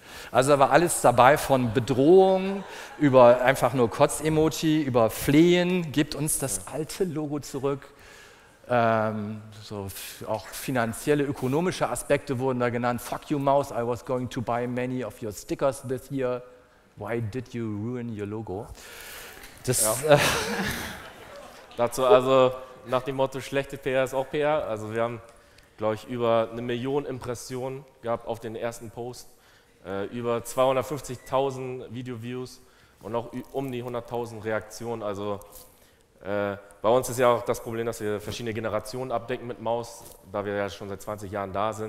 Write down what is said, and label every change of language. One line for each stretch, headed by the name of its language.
German: Also da war alles dabei von Bedrohung über einfach nur Kotz-Emoji, über Flehen, gibt uns das alte Logo zurück. So auch finanzielle, ökonomische Aspekte wurden da genannt.
English: Fuck you, Maus, I was going to buy many of your stickers this year. Why did you ruin your logo?
German: Das... Ja. Dazu also nach dem Motto, schlechte PR ist auch PR. Also wir haben, glaube ich, über 1 Million Impressionen gehabt auf den ersten Post, über 250.000 Video-Views und auch um die 100.000 Reaktionen. Also bei uns ist ja auch das Problem, dass wir verschiedene Generationen abdecken mit Maus, da wir ja schon seit 20 Jahren da sind.